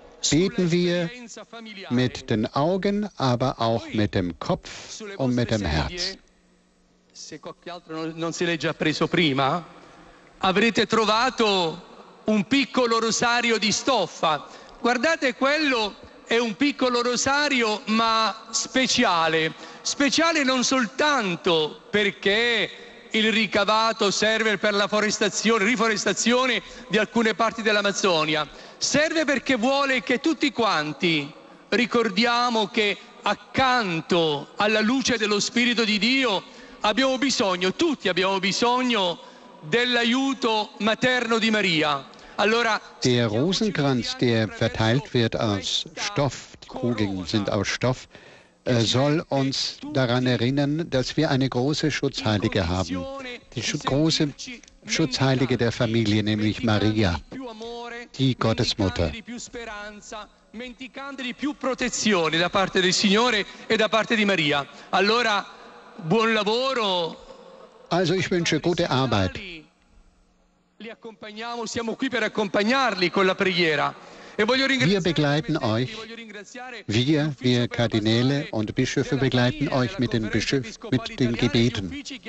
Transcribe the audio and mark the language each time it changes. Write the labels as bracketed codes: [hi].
[de] Beten wir mit den Augen, aber auch mit dem Kopf und mit dem Herz. [it] Se qualche altro non si è già preso prima, avrete trovato un piccolo rosario di stoffa. Guardate quello. È un piccolo rosario, ma speciale. Speciale non soltanto perché il ricavato serve per la forestazione, riforestazione di alcune parti dell'Amazzonia. Serve perché vuole che tutti quanti ricordiamo che accanto alla luce dello Spirito di Dio abbiamo bisogno, tutti abbiamo bisogno dell'aiuto materno di Maria. [de] Der Rosenkranz, der verteilt wird aus Stoff, die Kugeln sind aus Stoff, soll uns daran erinnern, dass wir eine große Schutzheilige haben. Die große Schutzheilige der Familie, nämlich Maria, die Gottesmutter. [it] Menticante di più protezione da parte del Signore e da parte di Maria. Allora, buon lavoro. [de] Also ich wünsche gute Arbeit. Wir begleiten euch, wir Kardinäle und Bischöfe begleiten euch mit den Gebeten.